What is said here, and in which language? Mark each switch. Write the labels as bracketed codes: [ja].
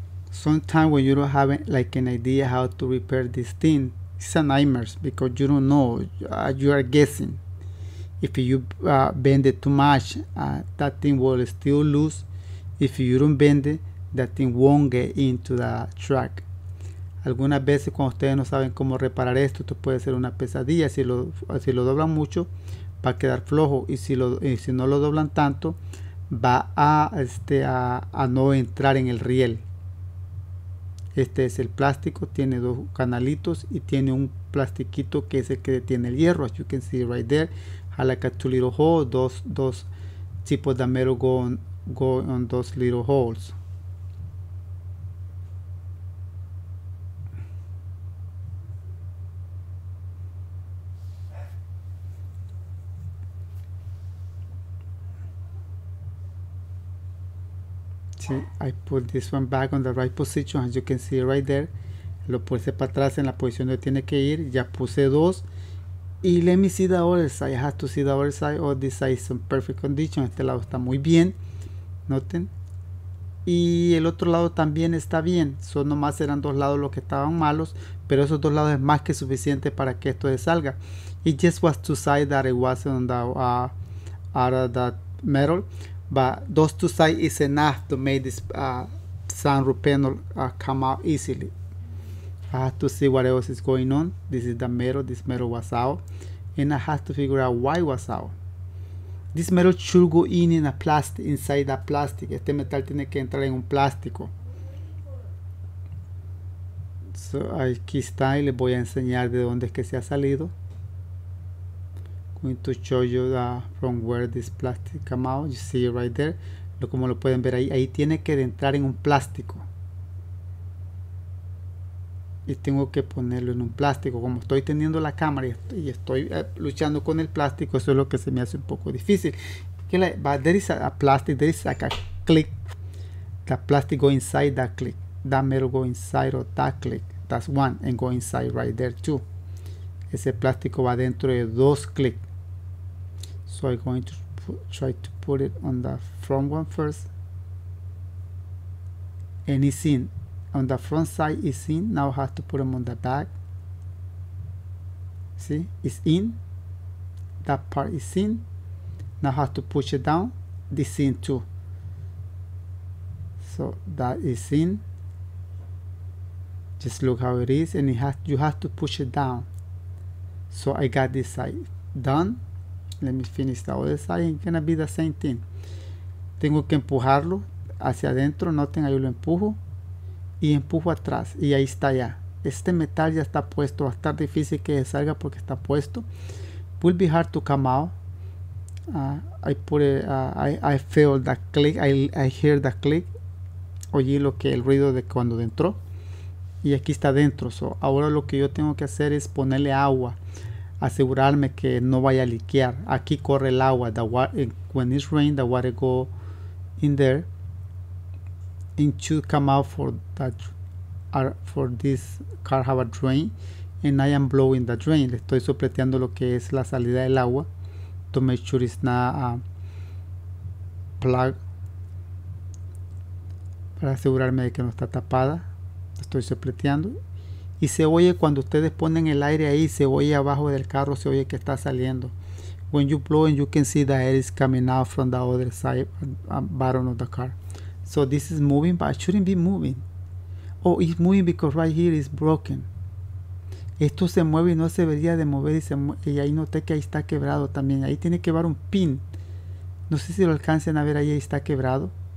[en] Sometimes when you don't have like an idea how to repair this thing, it's a nightmare because you don't know, you are guessing. If you bend it too much, that thing will still loose. If you don't bend it, that thing won't get into the track. [es] Algunas veces cuando ustedes no saben cómo reparar esto puede ser una pesadilla. Si lo doblan mucho, va a quedar flojo. Y si no lo doblan tanto, va a no entrar en el riel. Este es el plástico, tiene dos canalitos y tiene un plastiquito que es el que detiene el hierro. [en] As you can see right there, I like a two little holes, [es] dos tipos de metal [en] go on those little holes. I put this one back on the right position, as you can see right there. [es] Lo puse para atrás en la posición donde tiene que ir. Ya puse dos. [en] Y let me see the other side. I have to see the other side. Oh, this side is in perfect condition. [es] Este lado está muy bien. Noten. Y el otro lado también está bien. Son nomás eran dos lados los que estaban malos. Pero esos dos lados es más que suficiente para que esto se salga. [en] It just was two sides that it was on the out of that metal. But those two sides is enough to make this sunroof panel come out easily. I have to see what else is going on. This is the metal. This metal was out. And I have to figure out why it was out. This metal should go in a plastic, inside that plastic. [es] Este metal tiene que entrar en un plástico. So, aquí está y les voy a enseñar de dónde es que se ha salido. [en] Going to show you from where this plastic come out. You see it right there. [es] Como lo pueden ver ahí tiene que entrar en un plástico. Y tengo que ponerlo en un plástico. Como estoy teniendo la cámara y estoy luchando con el plástico, eso es lo que se me hace un poco difícil. [en] But there is a plastic, there is like a click. The plastic go inside that click. That metal go inside of that click. That's one. And go inside right there too. [es] Ese plástico va dentro de dos clics. [en] So I'm going to try to put it on the front one first. And it's in. On the front side, it's in. Now I have to put them on the back. See? It's in. That part is in. Now I have to push it down. This in too. So that is in. Just look how it is. And you have to push it down. So I got this side done. Let me finish the other side. It's gonna be the same thing. [es] Tengo que empujarlo hacia adentro. Noten, ahí lo empujo. Y empujo atrás. Y ahí está ya. este metal ya está puesto, va a estar difícil que salga porque está puesto. [en] Will be hard to come out. I put it, I feel that click, I hear that click. [es] Oí lo que el ruido de cuando entró. Y aquí está dentro. So, ahora lo que yo tengo que hacer es ponerle agua, asegurarme que no vaya a liquear. Aquí corre el agua. [en] The water, when it's rain, the water go in there. It should come out for that, for this car have a drain, and I am blowing the drain. [es] Le estoy sopleteando lo que es la salida del agua [en] to make sure it's not plug, [es] para asegurarme de que no está tapada. Estoy sopleteando y se oye cuando ustedes ponen el aire ahí, se oye abajo del carro, se oye que está saliendo. [en] When you blow and you can see the air is coming out from the other side, bottom of the car. So this is moving, but it shouldn't be moving. Oh, it's moving because right here is broken. [es] Esto se mueve y no se debería de mover, y ahí noté que ahí está quebrado también. Ahí tiene que llevar un pin. No sé si lo alcancen a ver, ahí está quebrado.